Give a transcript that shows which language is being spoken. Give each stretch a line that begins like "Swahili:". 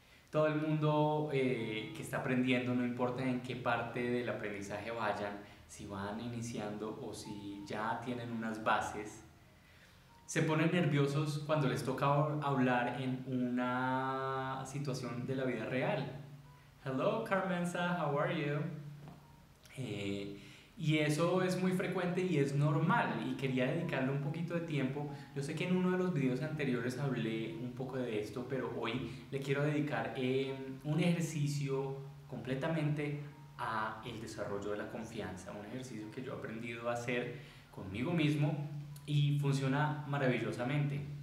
Spanish: Todo el mundo que está aprendiendo, no importa en qué parte del aprendizaje vayan, si van iniciando o si ya tienen unas bases, se ponen nerviosos cuando les toca hablar en una situación de la vida real.
English: Hello, Carmenza, how are you?
Spanish: Y eso es muy frecuente y es normal, y quería dedicarle un poquito de tiempo. Yo sé que en uno de los videos anteriores hablé un poco de esto, pero hoy le quiero dedicar un ejercicio completamente a el desarrollo de la confianza, un ejercicio que yo he aprendido a hacer conmigo mismo y funciona maravillosamente.